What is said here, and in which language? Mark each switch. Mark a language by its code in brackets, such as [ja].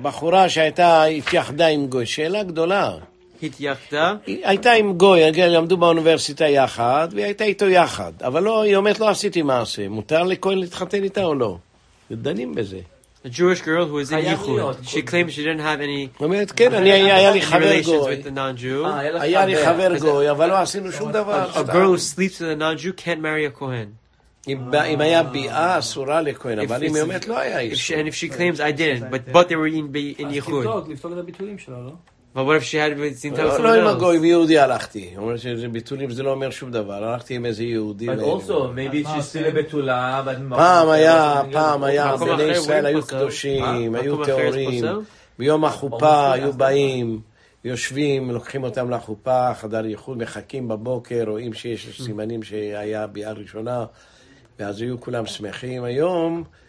[he] בחורה שהייתה התייחדה עם גוי. שאלה גדולה. התייחדה? הייתה עם גוי, למדו באוניברסיטה יחד, והיא הייתה איתו יחד. אבל לא, היא אומרת, לא עשיתי מעשה. מותר לכהן להתחתן איתה או לא? דנים בזה. [en] A Jewish girl who is in Yichud. She claims she didn't have any... [he] אומרת, כן, אני היה לי חבר גוי. [en] Relations with the non-Jew. [he] היה לי חבר גוי, אבל לא עשינו שום דבר. [en] A girl who sleeps with a non-Jew can't marry a Kohen. [he] אם היה ביאה אסורה לכהן, אבל אם היא אומרת, לא היה איש. [en] And if she claims, I didn't, but they were in Yichud. [he] אז לפתוק, לפתוק את הביטולים שלה, לא? [en] אבל what if she had with Sintel Sintel? [he] לא, עם הגוי, עם יהודי הלכתי. הוא אומר שביטולים זה לא אומר שום דבר. הלכתי עם איזה יהודי. [en] But also, maybe she's still a בתולה. [he] פעם היה, בני ישראל היו קדושים, היו תיאורים. ביום החופה היו באים, יושבים, לוקחים אותם לחופה, חדר ייחוד, מחכים בבוקר, רואים שיש סימנים שהיה ביאה ראשונה, ואז היו כולם שמחים. היום...